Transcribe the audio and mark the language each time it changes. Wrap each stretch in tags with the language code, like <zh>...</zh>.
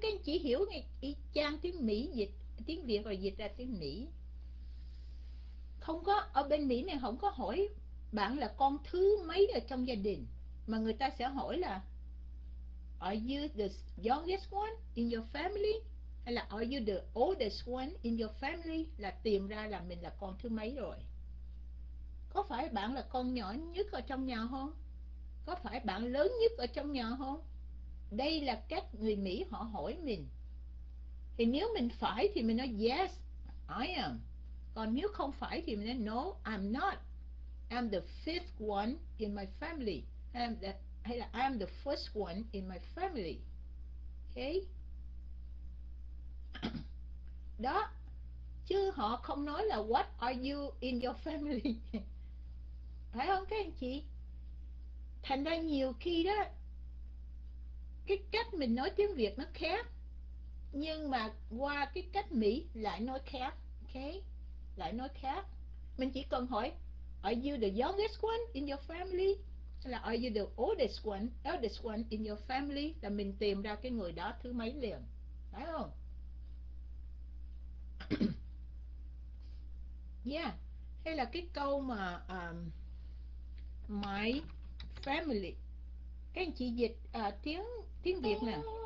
<vi>Các anh chị hiểu ngay y chang tiếng Mỹ dịch tiếng Việt rồi dịch ra tiếng Mỹ. Không có, ở bên Mỹ này không có hỏi bạn là con thứ mấy ở trong gia đình, mà người ta sẽ hỏi là</vi> <en>are you the youngest one in your family?</en> <vi>Hay là</vi> <en>are you the oldest one in your family?</en> <vi>Là tìm ra là mình là con thứ mấy rồi. Có phải bạn là con nhỏ nhất ở trong nhà không? Có phải bạn lớn nhất ở trong nhà không? Đây là cách người Mỹ họ hỏi mình. Thì nếu mình phải thì mình nói</vi> <en>yes, I am.</en> <vi>Còn nếu không phải thì mình nói</vi> <en>no, I'm not. I'm the fifth one in my family. I'm the first one in my family.</en> <vi>Okay? Đó, Chứ họ không nói là</vi> <en>what are you in your family.</en> <vi>Phải không các anh chị? Thành ra nhiều khi đó, cái cách mình nói tiếng Việt nó khác, nhưng mà qua cái cách Mỹ lại nói khác.</vi> <en>Okay?</en> <vi>Lại nói khác. Mình chỉ cần hỏi,</vi> <en>are you the youngest one in your family?</en> <vi>Là</vi> <en>are you the oldest one, eldest one in your family?</en> <vi>Là mình tìm ra cái người đó thứ mấy liền. Phải không? Yeah. Hay là cái câu mà</vi> <en>my family.</en> <vi>Các anh chị dịch tiếng Việt nè.</vi>